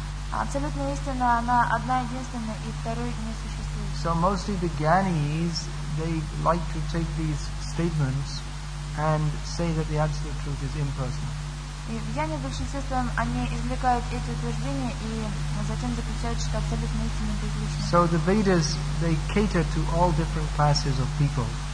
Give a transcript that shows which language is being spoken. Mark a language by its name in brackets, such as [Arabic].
[Russian] Абсолютная истина, она одна единственная, и второй не существует. [English] So mostly the jnanis, they like to take these statements and say that the absolute truth is impersonal. [Russian] И в jnani большинстве своем они извлекают эти утверждения и затем заключают, что абсолютная истина безлична. [English] So the Vedas, they cater to all different classes of people.